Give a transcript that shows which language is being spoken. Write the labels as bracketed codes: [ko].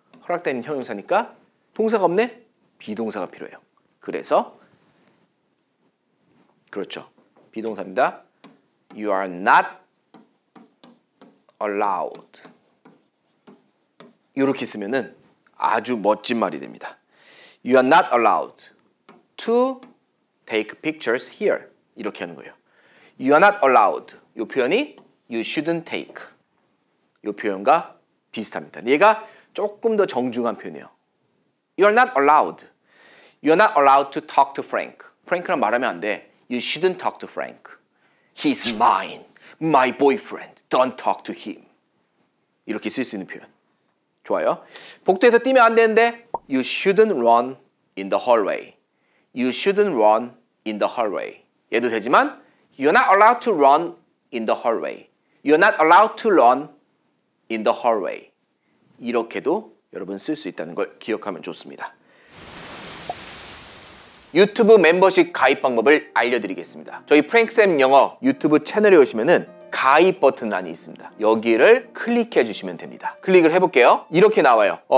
[ko] 허락된 형용사니까 동사가 없네? 비동사가 필요해요. 그래서 그렇죠. 비동사입니다. [en] You are not allowed. [ko] 이렇게 쓰면은 아주 멋진 말이 됩니다. [en] You are not allowed to take pictures here. [ko] 이렇게 하는 거예요. [en] You are not allowed. [ko] 이 표현이 [en] you shouldn't take. [ko] 이 표현과 비슷합니다. 얘가 조금 더 정중한 표현이에요. [en] You are not allowed. You are not allowed to talk to Frank. Frank랑 [ko] 말하면 안 돼. [en] You shouldn't talk to Frank. He's mine. My boyfriend. Don't talk to him. [ko] 이렇게 쓸 수 있는 표현. 좋아요. 복도에서 뛰면 안 되는데 [en] You shouldn't run in the hallway. You shouldn't run in the hallway. [ko] 얘도 되지만 [en] You're not allowed to run in the hallway. You're not allowed to run in the hallway. [ko] 이렇게도 여러분 쓸 수 있다는 걸 기억하면 좋습니다. 유튜브 멤버십 가입 방법을 알려드리겠습니다. 저희 프랭크쌤 영어 유튜브 채널에 오시면은 가입 버튼란이 있습니다. 여기를 클릭해 주시면 됩니다. 클릭을 해볼게요. 이렇게 나와요.